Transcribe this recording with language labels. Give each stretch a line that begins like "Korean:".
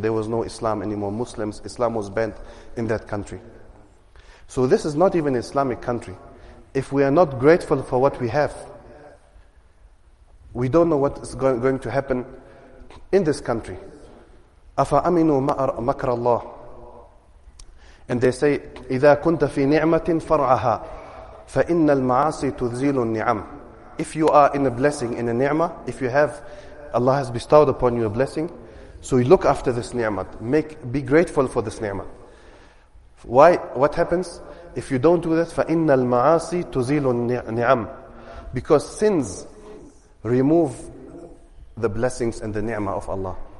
English: There was no Islam anymore. Muslims, Islam was banned in that country. So this is not even an Islamic country. If we are not grateful for what we have, we don't know what is going to happen in this country.
Arabic: أَفَأَمِنُوا مَكْرَ اللَّهِ.
English: And they say,
Arabic: إِذَا كُنْتَ فِي نِعْمَةٍ فَرْعَهَا فَإِنَّ الْمَعَاصِي تُذْزِيلُ النِّعَمِ.
English: If you are in a blessing, in a ni'mah, if you have, Allah has bestowed upon you a blessing, so you look after this ni'mah. Be grateful for this ni'mah. Why? What happens? If you don't do that,
Arabic: فَإِنَّ الْمَعَاصِي تُذْزِيلُ النِّعَمِ.
English: Because sins remove the blessings and the ni'mah of Allah.